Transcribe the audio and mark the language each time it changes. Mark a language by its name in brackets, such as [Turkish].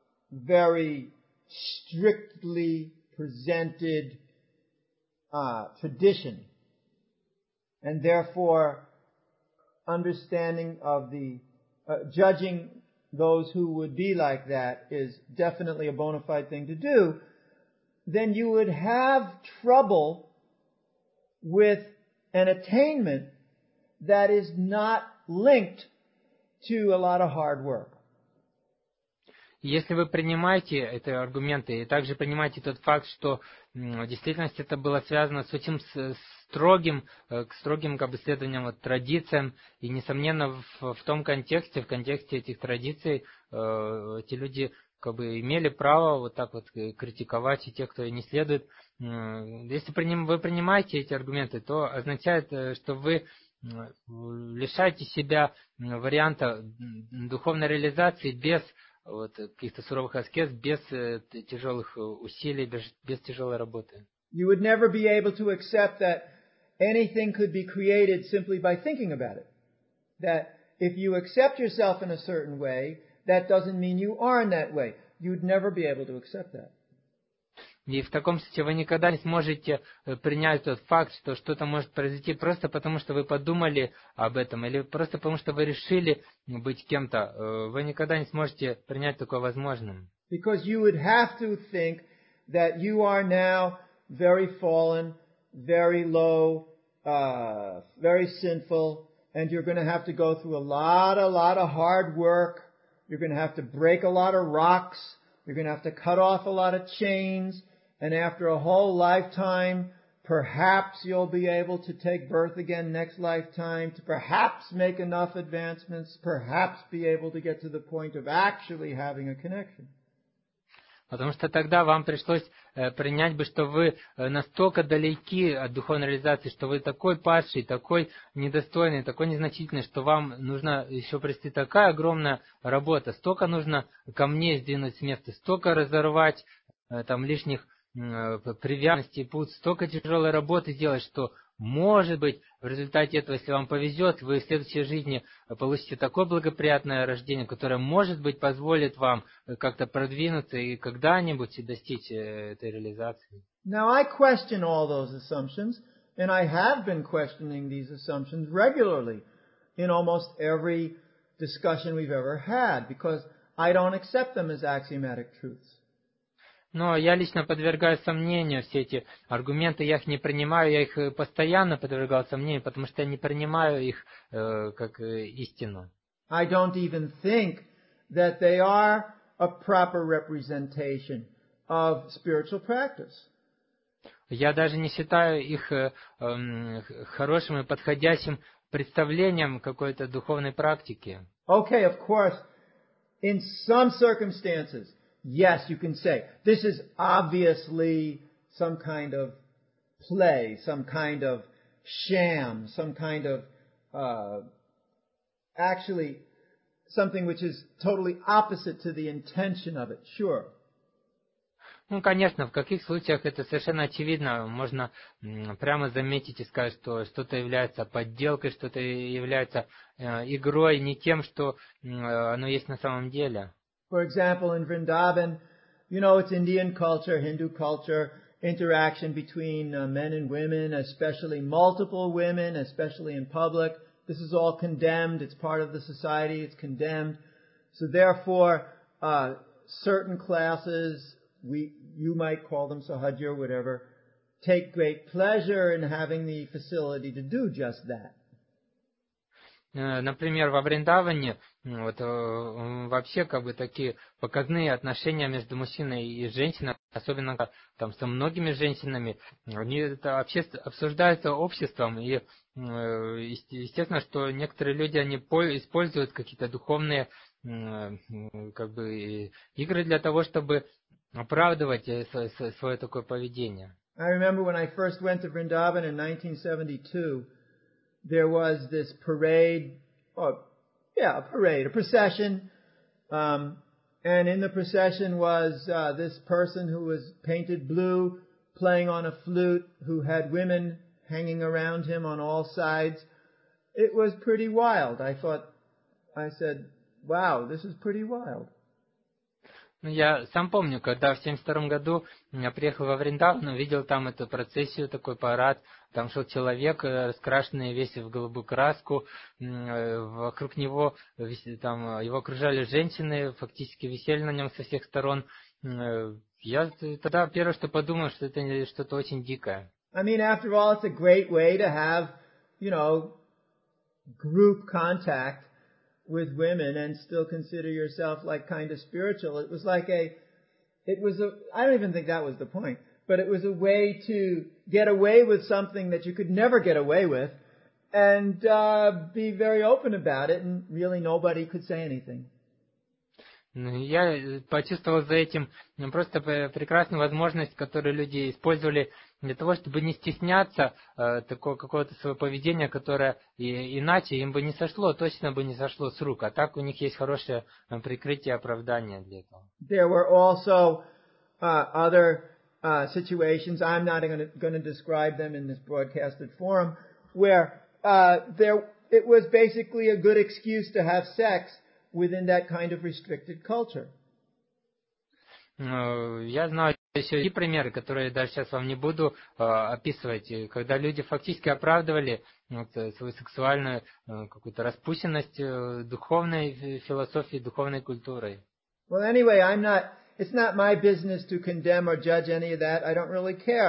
[English] very strictly presented tradition, and therefore understanding of the judging those who would be like that is definitely a bona fide thing to do, then you would have trouble with an attainment that is not linked to a lot of hard work. [Russian] Если вы принимаете эти аргументы и также принимаете тот факт, что в действительности это было связано с очень строгим как бы следованием вот традициям, и несомненно в том контексте, в контексте этих традиций, эти люди как бы имели право вот так вот критиковать и тех, кто не следует. Если вы принимаете эти аргументы, то означает, что вы лишаете себя варианта духовной реализации без вот, каких-то суровых аскез без тяжелых усилий, без тяжелой работы. [English] You would never be able to accept that anything could be created simply by thinking about it. That if you accept yourself in a certain way, that doesn't mean you are in that way. You'd never be able to accept that. [Russian] И в таком случае вы никогда не сможете принять тот факт, что что-то может произойти просто потому, что вы подумали об этом, или просто потому, что вы решили быть кем-то. Вы никогда не сможете принять такое возможным. [English] Because you would have to think that you are now very fallen, very low, very sinful, and you're going to have to go through a lot of hard work. You're going to have to break a lot of rocks. You're going to have to cut off a lot of chains. And after a whole lifetime, perhaps you'll be able to take birth again next lifetime to perhaps make enough advancements, perhaps be able to get to the point of actually having a connection. [Russian] Потому что тогда вам пришлось принять бы, что вы настолько далеки от духовной реализации, что вы такой падший, такой недостойный, такой незначительный, что вам нужно еще провести такая огромная работа, столько нужно камней сдвинуть с места, столько разорвать там лишних привязанностей и пут, столько тяжелой работы сделать, что, может быть, в результате этого, если вам повезет, вы в следующей жизни получите такое благоприятное рождение, которое, может быть, позволит вам как-то продвинуться и когда-нибудь достичь этой реализации. [English] Now I question all those assumptions, and I have been questioning these assumptions regularly in almost every discussion we've ever had, because I don't accept them as axiomatic truths. [Russian] Но я лично подвергаю сомнению все эти аргументы, я их не принимаю, я их постоянно подвергал сомнению, потому что я не принимаю их как истину. [English] I don't even think that they are a proper representation of spiritual practice. [Russian] Я даже не считаю их хорошим и подходящим представлением какой-то духовной практики. [English] Okay, of course, in some circumstances, yes, you can say, this is obviously some kind of play, some kind of sham, some kind of, actually, something which is totally opposite to the intention of it, sure. [Russian] Ну, конечно, в каких случаях это совершенно очевидно, можно прямо заметить и сказать, что что-то является подделкой, что-то является игрой, не тем, что оно есть на самом деле. [English] For example, in Vrindavan, you know, it's Indian culture, Hindu culture, interaction between men and women, especially multiple women, especially in public. This is all condemned. It's part of the society. It's condemned. So therefore, certain classes, you might call them sahaja or whatever, take great pleasure in having the facility to do just that. [Russian] Например, во Вриндаване вот, вообще как бы такие показные отношения между мужчиной и женщиной, особенно там со многими женщинами, они это обсуждаются обществом, и естественно, что некоторые люди они используют какие-то духовные как бы, игры для того, чтобы оправдывать свое такое поведение. [English] I remember when I first went to Vrindavan in 1972. There was this parade, a procession. And in the procession was this person who was painted blue, playing on a flute, who had women hanging around him on all sides. It was pretty wild. I said, wow, this is pretty wild. [Russian] Ну, я сам помню, когда в 72-м году я приехал во Вриндаван, увидел там эту процессию, такой парад, там шел человек, раскрашенный весь в голубую краску, вокруг него, там, его окружали женщины, фактически висели на нем со всех сторон. Я тогда первое, что подумал, что это что-то очень дикое. [English] I mean, after all, it's a great way to have, you know, group contact with women and still consider yourself like kind of spiritual. I don't even think that was the point, but it was a way to get away with something that you could never get away with and be very open about it and really nobody could say anything. [Russian] Я почувствовал за этим просто прекрасную возможность, которую люди использовали для того, чтобы не стесняться такого какого-то своего поведения, которое иначе им бы не сошло, точно бы не сошло с рук. А так у них есть хорошее прикрытие, оправдание для этого. [English] There were also other situations, I'm not going to describe them in this broadcasted forum, where it was basically a good excuse to have sex within that kind of restricted culture. [Russian] Я знаю еще и примеры, которые я даже сейчас вам не буду описывать, когда люди фактически оправдывали свою сексуальную какую-то распущенность духовной философии, духовной культурой. [English] Well, anyway, it's not my business to condemn or judge any of that. I don't really care.